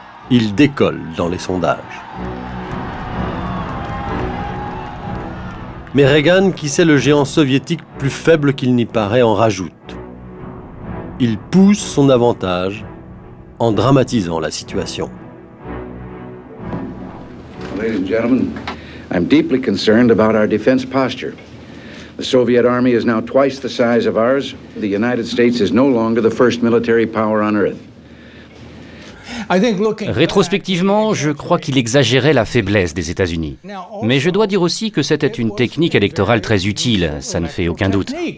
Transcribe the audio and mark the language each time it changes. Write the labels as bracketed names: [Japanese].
[French] Il décolle dans les sondages. Mais Reagan, qui sait le géant soviétique plus faible qu'il n'y paraît, en rajoute. Il pousse son avantage en dramatisant la situation. [English] Ladies and gentlemen, I'm deeply concerned about our defense posture. The Soviet army is now twice the size of ours. The United States is no longer the first military power on earth. [French] Rétrospectivement, je crois qu'il exagérait la faiblesse des États-Unis. Mais je dois dire aussi que c'était une technique électorale très utile, ça ne fait aucun doute.